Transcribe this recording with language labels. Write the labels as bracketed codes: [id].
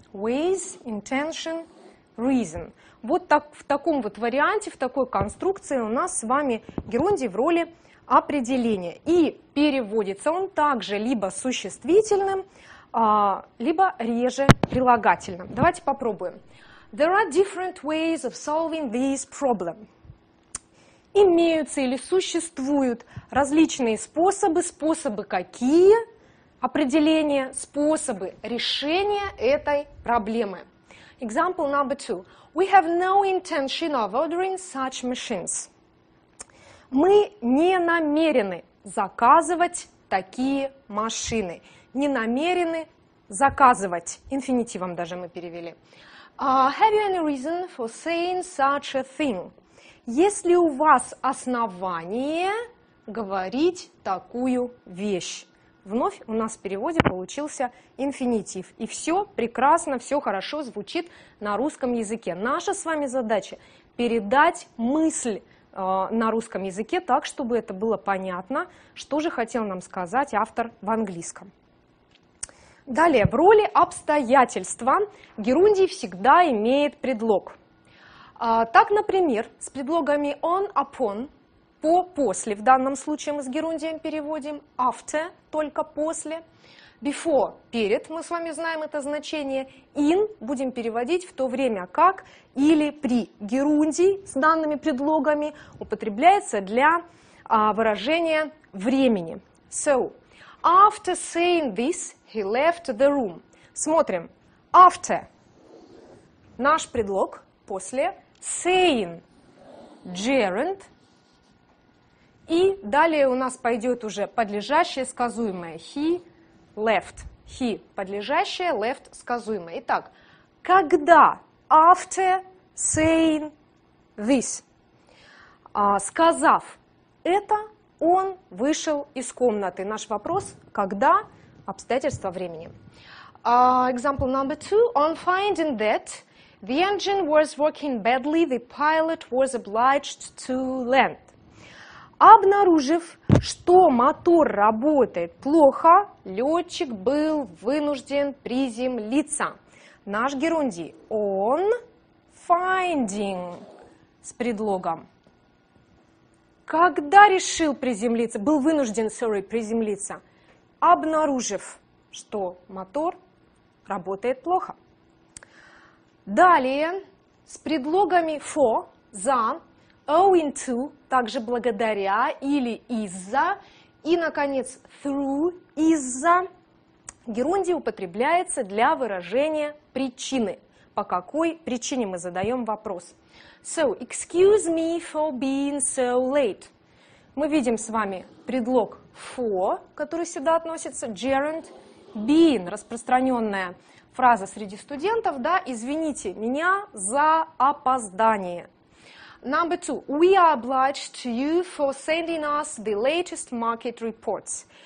[en] Ways, intention, reason. [ru] Вот так, в таком вот варианте, в такой конструкции у нас с вами герундий в роли определения. И переводится он также либо существительным, либо реже прилагательным. Давайте попробуем. [en] There are different ways of solving this problem. [ru] Имеются или существуют различные способы. Способы какие? Определение, способы решения этой проблемы. [en] Example number two. We have no intention of ordering such machines. [ru] Мы не намерены заказывать такие машины. Не намерены заказывать. Инфинитивом даже мы перевели. [en] Have you any reason for saying such a thing? [ru] Есть ли у вас основание говорить такую вещь? Вновь у нас в переводе получился инфинитив. И все прекрасно, все хорошо звучит на русском языке. Наша с вами задача – передать мысль на русском языке так, чтобы это было понятно, что же хотел нам сказать автор в английском. Далее, в роли обстоятельства герундий всегда имеет предлог. Так, например, с предлогами on, upon, по, после, в данном случае мы с герундием переводим, after, только после, before, перед, мы с вами знаем это значение, in, будем переводить в то время как или при. Герундий с данными предлогами употребляется для выражения времени. [en] So, after saying this, he left the room. [ru] Смотрим. After. Наш предлог. После. Saying. Gerund. И далее у нас пойдет уже подлежащее сказуемое. He left. He. Подлежащее. Left. Сказуемое. Итак. Когда? [en] After saying this. [ru] Сказав это, он вышел из комнаты. Наш вопрос. Когда? Обстоятельства времени. [en] Example number two. On finding that the engine was working badly, the pilot was obliged to land. [ru] Обнаружив, что мотор работает плохо, летчик был вынужден приземлиться. Наш герундий. On finding с предлогом. Когда решил приземлиться, был вынужден, sorry, приземлиться, обнаружив, что мотор работает плохо. Далее, с предлогами for, за, owing to, также благодаря или из-за, и, наконец, through, из-за, герундий употребляется для выражения причины. По какой причине мы задаем вопрос? [en] So, excuse me for being so late. [ru] Мы видим с вами предлог for, который сюда относится, gerund, been распространенная фраза среди студентов, да, извините меня за опоздание. [en] Number two, we are obliged to you for sending us the latest market reports.